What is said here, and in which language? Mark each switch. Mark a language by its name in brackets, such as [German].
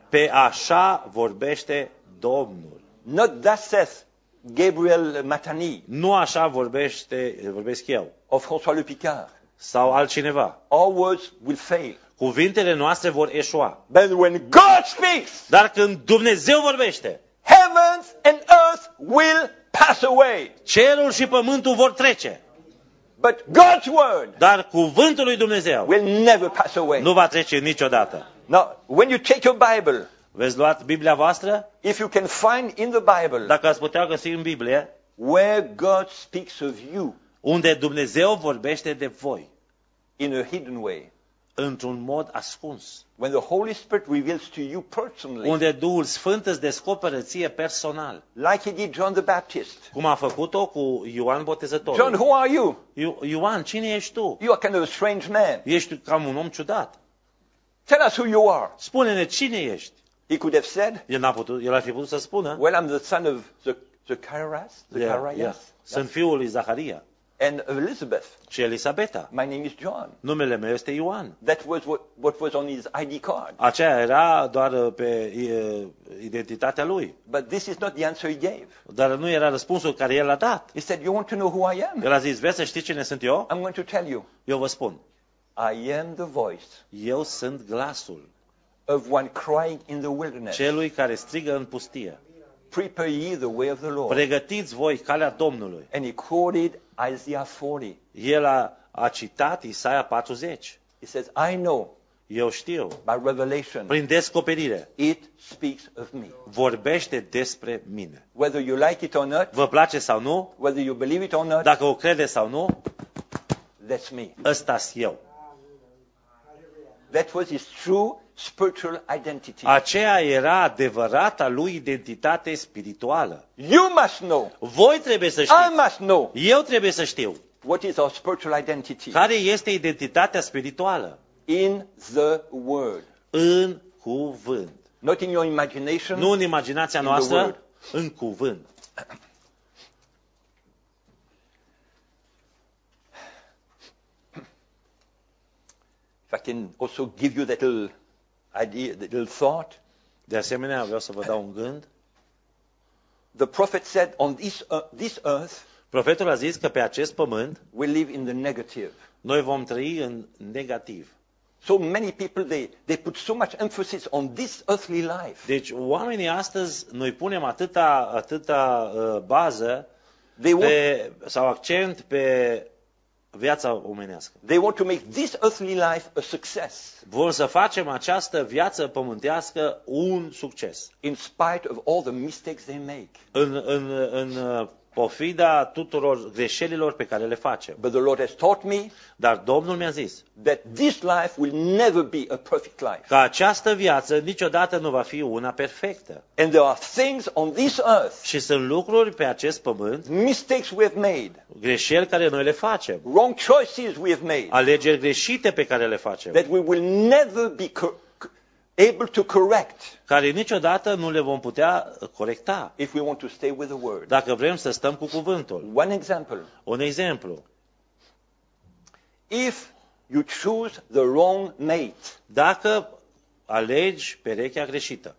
[Romanian] Pe așa vorbește Domnul. [English] Not thus says Gabriel Matani. [Romanian] Nu așa vorbesc eu. [English] Of François Le Picard. [Romanian] Sau altcineva. [English] All words will fail. [Romanian] Cuvintele noastre vor eșua. [English] But when God speaks. [Romanian] Dar când Dumnezeu vorbește. [English] Heavens and earth will pass away. [Romanian] Cerul și pământul vor trece. [English] But God's word. [Romanian] Dar cuvântul lui Dumnezeu. [English] Will never pass away. [Romanian] Nu va trece niciodată. [English] Now, when you take your Bible, [Romanian] veți lua Biblia voastră? [English] If you can find in the Bible, [Romanian] dacă ați putea găsi în Biblie, [English] where God speaks of you, [Romanian] unde Dumnezeu vorbește de voi, [English] in a hidden way, [Romanian] într-un mod ascuns. [English] When the Holy Spirit reveals to you personally. [Romanian] Unde Duhul Sfânt îți descoperă ție personal. [English] Like he did John the Baptist. [Romanian] Cum a făcut-o cu Ioan Botezătorul. [English] John, who are you? [Romanian] Ioan, cine ești tu? [English] You are kind of a strange man. [Romanian] Ești cam un om ciudat. [English] Tell us who you are. [Romanian] Spune-ne cine ești. [English] He could have said. [Romanian] El ar fi putut să spună. [English] Well, I'm the son of Zacharias. [Romanian] Sunt fiul lui Zaharia. [English] And Elizabeth. [Romanian] Și Elisabeta. [English] My name is John. [Romanian] Numele meu este Ioan. [English] That was what was on his ID card. [Romanian] Aceea era doar pe identitatea lui. [English] But this is not the answer he gave. [Romanian] Dar nu era răspunsul care el a dat. [English] He said, "You want to know who I am?" [Romanian] El a zis, "Vrei să știi cine sunt eu?" [English] I'm going to tell you. [Romanian] Eu vă spun. [English] I am the voice. [Romanian] Eu sunt glasul. [English] Of one crying in the wilderness. [Romanian] Celui care strigă în pustie. [English] Prepare ye the way of the Lord. [Romanian] Pregătiți voi calea Domnului. [English] And he quoted Isaiah 40. [Romanian] El a citat Isaia 40. [English] He says, I know. [Romanian] Eu știu. [English] By revelation. [Romanian] Prin descoperire. [English] It speaks of me. [Romanian] Vorbește despre mine. [English] Whether you like it or not. [Romanian] Vă place sau nu. [English] Whether you believe it or not. [Romanian] Dacă o credeți sau nu. [English] That's me. [Romanian] Ăsta-s eu. [English] That was his true spiritual identity. [Romanian] Aceea era adevărata lui identitate spirituală. [English] You must know. [Romanian] Voi trebuie să știți. [English] I must know. [Romanian] Eu trebuie să știu. [English] What is our spiritual identity? [Romanian] Care este identitatea spirituală? [English] In the word. [Romanian] În cuvânt. [English] Not in your imagination. [Romanian] Nu în imaginația noastră. În cuvânt. [English] If I can also give you that little idea, that little thought. [Romanian] De asemenea, vreau să vă dau un gând. [English] The prophet said, on this earth, [Romanian] profetul a zis că pe acest pământ, [English] we live in the negative. [Romanian] Noi vom trăi în negativ. [English] So many people they put so much emphasis on this earthly life. [Romanian] Deci oamenii astăzi noi punem atâta bază sau accent pe viața omenească. [English] They want to make this earthly life a success. [Romanian] Vor să facem această viață pământească un succes. [English] In spite of all the mistakes they make. [Romanian] În pofida tuturor greșelilor pe care le facem. [English] But the Lord has taught me. [Romanian] Dar Domnul mi-a zis. [English] That this life will never be a perfect life. [Romanian] Că această viață niciodată nu va fi una perfectă. [English] And there are things on this earth. [Romanian] Și sunt lucruri pe acest pământ. [English] Mistakes we have made. [Romanian] Greșeli care noi le facem. [English] Wrong choices we have made. [Romanian] Alegeri greșite pe care le facem. [English] That we will never be able to correct. [Romanian] Care niciodată nu le vom putea corecta. [English] If we want to stay with the word. [Romanian] Dacă vrem să stăm cu cuvântul. [English] One example. [Romanian] Un exemplu. [English] If you choose the wrong mate. [Romanian] Dacă alegi perechea greșită.